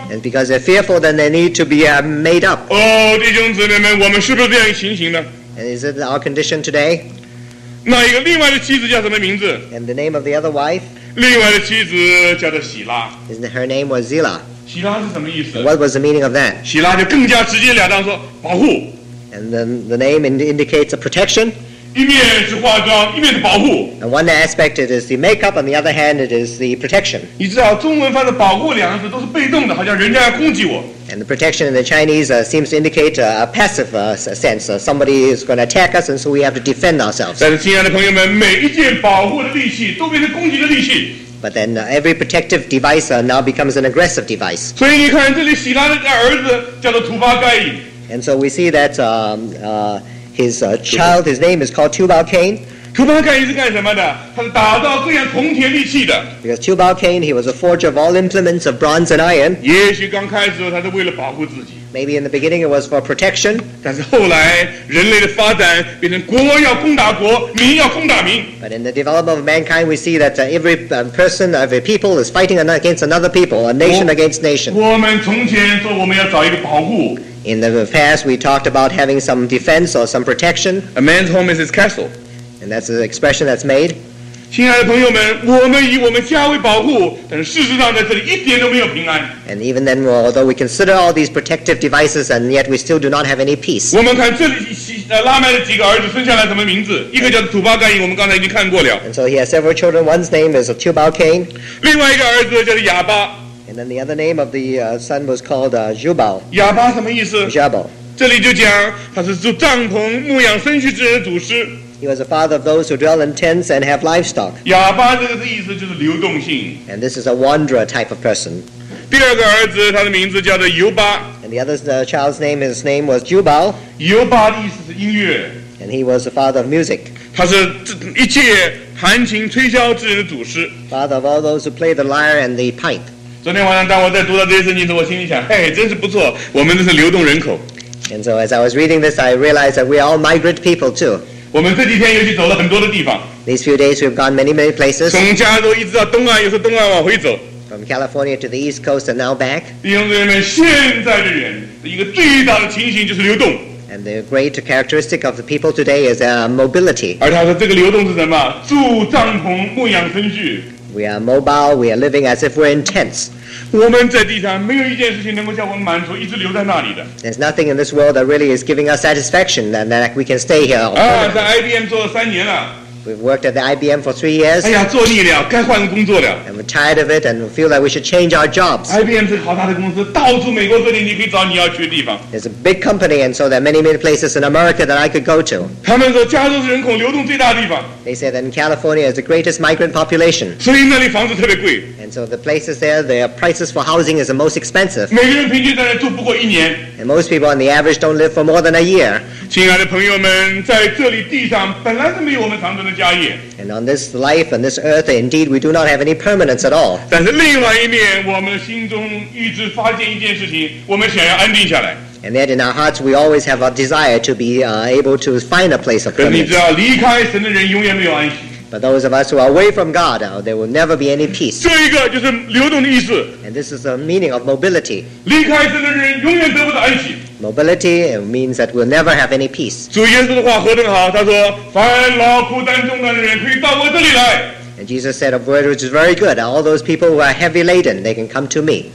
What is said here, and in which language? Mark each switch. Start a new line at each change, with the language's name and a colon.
English: And because they're fearful, then they need to be made up.
Chinese: 哦，弟兄姊妹们，我们是不是这样情形呢？
English: And is it our condition today?
Chinese: 那一个另外的妻子叫什么名字？
English: And the name of the other wife?
Chinese: 另外的妻子叫做喜拉。
English: Isn't her name was Zila?
Chinese: 喜拉是什么意思？
English: And what was the meaning of that?
Chinese: 喜拉就更加直接了当说保护。
English: And then the name indicates a protection.
Chinese: 一面是化妆，一面是保护。
English: And one aspect it is the makeup, on the other hand it is the protection.
Chinese: 你知道中文翻的保护两个字都是被动的，好像人家要攻击我。
English: And the protection in the Chinese seems to indicate a passive sense. Somebody is going to attack us, and so we have to defend ourselves.
Chinese: 但是亲爱的朋友们，每一件保护的利器都变成攻击的利器。
English: But then every protective device now becomes an aggressive device.
Chinese: 所以你看这里希拉的儿子叫做图巴盖伊。
English: And so we see that His child, his name is called Tubal Cain.
Chinese: Tubal Cain 是干什么的？他是打造各样铜铁利器的。
English: Because Tubal Cain, he was a forger of all implements of bronze and iron.
Chinese: 也许刚开始他是为了保护自己。
English: Maybe in the beginning it was for protection.
Chinese: 但是后来人类的发展变成国要攻打国，民要攻打民。
English: But in the development of mankind, we see that every person, every people is fighting against another people, a nation against nation.
Chinese: 我们从前说我们要找一个保护。
English: In the past, we talked about having some defense or some protection. A man's home is his castle. And that's the expression that's made.
Chinese: 亲爱的朋友们，我们以我们家为保护，但事实上在这里一点都没有平安。
English: And even then, although we consider all these protective devices, and yet we still do not have any peace.
Chinese: 我们看这里拉麦的几个儿子生下来什么名字？一个叫土巴盖伊，我们刚才已经看过了。
English: And so he has several children. One's name is Tubal Cain.
Chinese: 另外一个儿子叫做亚巴。
English: And then the other name of the son was called Jubal.
Chinese: 亚巴什么意思？
English: Jubal.
Chinese: 这里就讲他是住帐篷、牧养牲畜之人的祖师。
English: He was the father of those who dwell in tents and have livestock.
Chinese: 亚巴这个意思就是流动性。
English: And this is a wanderer type of person.
Chinese: 第二个儿子他的名字叫做尤巴。
English: And the other child's name, his name was Jubal.
Chinese: 尤巴的意思是音乐。
English: And he was the father of music.
Chinese: 他是一切弹琴吹箫之人的祖师。
English: Father of all those who play the lyre and the pipe.
Chinese: 昨天晚上当我在读到这些圣经时，我心里想，嘿，真是不错，我们这是流动人口。
English: And so as I was reading this, I realized that we are all migrant people too.
Chinese: 我们这几天又去走了很多的地方。
English: These few days we've gone many, many places.
Chinese: 从加州一直到东岸，又是东岸往回走。
English: From California to the East Coast and now back.
Chinese: 弟兄姊妹们，现在的人的一个最大的情形就是流动。
English: And the great characteristic of the people today is mobility.
Chinese: 而他说这个流动是什么？住帐篷，牧养牲畜。
English: We are mobile, we are living as if we're in tents.
Chinese: 我们在地上没有一件事情能够叫我们满足，一直留在那里的。
English: There's nothing in this world that really is giving us satisfaction and that we can stay here.
Chinese: 在 IBM 做了三年了。
English: We've worked at the IBM for 3 years.
Chinese: 哎呀，做腻了，该换工作了。
English: And we're tired of it and feel that we should change our jobs.
Chinese: IBM 是好大的公司，到处美国各地你可以找你要去的地方。
English: It's a big company and so there are many, many places in America that I could go to.
Chinese: 他们说加州是人口流动最大的地方。
English: They say that in California is the greatest migrant population.
Chinese: 所以那里房子特别贵。
English: And so the places there, their prices for housing is the most expensive.
Chinese: 每个人平均在那住不过一年。
English: And most people on the average don't live for more than a year.
Chinese: 亲爱的朋友们，在这里地上本来就没有我们长存的家业。
English: And on this life, on this earth, indeed, we do not have any permanence at all.
Chinese: 但是另外一面，我们心中一直发现一件事情，我们想要安定下来。
English: And yet in our hearts, we always have a desire to be able to find a place of permanence.
Chinese: 你知道，离开神的人永远没有安息。
English: But those of us who are away from God, there will never be any peace.
Chinese: 这一个就是流动的意思。
English: And this is the meaning of mobility.
Chinese: 离开神的人永远得不到安息。
English: Mobility means that we'll never have any peace.
Chinese: 主耶稣的话何等好，他说，烦劳苦担重担的人可以到我这里来。
English: And Jesus said a word which is very good. All those people who are heavy laden, they can come to me.